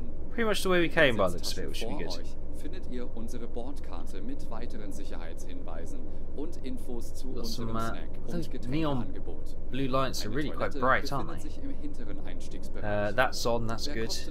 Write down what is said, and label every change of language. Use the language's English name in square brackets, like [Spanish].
[English] Pretty much the way we came, by the looks of it, which should be good. [German] Findet ihr unsere Bordkarte mit weiteren Sicherheitshinweisen und Infos zu unserem Snack und Getränkeangebot. [English] Blue lights are really quite bright, aren't they? That's on, that's good.